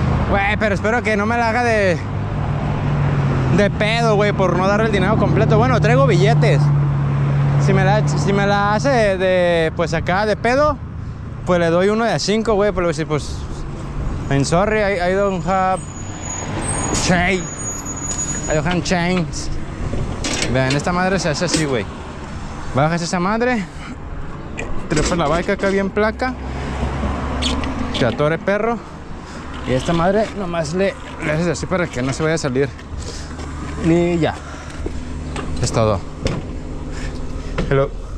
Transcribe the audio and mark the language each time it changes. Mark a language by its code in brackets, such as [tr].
[es] Güey, pero espero que no me la haga de pedo, güey, por no darle el dinero completo. Bueno, traigo billetes. Si me la hace de, pues acá, de pedo, pues le doy uno de a 5, güey. Pero si, pues, [en] I'm sorry, I don't have change. I don't have change. [es] Vean, esta madre se hace así, güey. Bajas esa madre. Trepa la bike acá bien placa. Te atore, perro. Y esta madre nomás le haces así para que no se vaya a salir. Y ya. Es todo. Hello.